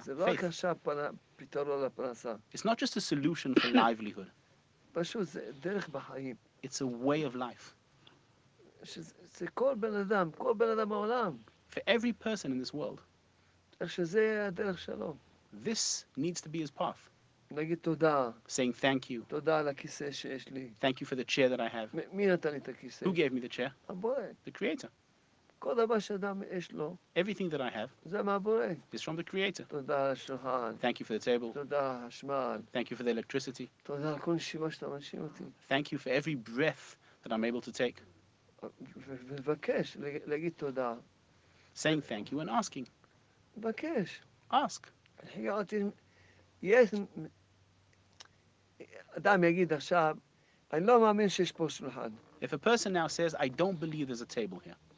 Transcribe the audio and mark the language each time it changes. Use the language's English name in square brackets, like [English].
[Hebrew] זה לא רק עכשיו פתרון לפרנסה. [English] It's not just a solution for livelihood. [Hebrew] פשוט זה דרך בחיים. [English] It's a way of life. [Hebrew] זה כל בן אדם, כל בן אדם בעולם. [English] For every person in this world. [Hebrew] איך שזה הדרך שלו. [English] This needs to be his path. [Hebrew] נגיד תודה. [English] Saying thank you. [Hebrew] תודה על הכיסא שיש לי. [English] Thank you for the chair that I have. [Hebrew] מי נתן לי את הכיסא? [English] Who gave me the chair? [Hebrew] הבורא. [English] The Creator. [Hebrew] כל דבר שאדם יש לו. [English] Everything that I have. [Hebrew] זה מהבורא. [English] Is from the Creator. [Hebrew] תודה על השולחן. [English] Thank you for the table. [Hebrew] תודה על החשמל. [English] Thank you for the electricity. [Hebrew] תודה על כל נשימה שאתה מנשים אותי. [English] Thank you for every breath that I'm able to take. [Hebrew] ובקש, להגיד תודה. [English] Saying thank you and asking. [Hebrew] בקש. [English] Ask. [Hebrew] יש אדם יגיד עכשיו, אני לא מאמין שיש פה שולחן. [English] If a person now says, I don't believe there's a table here.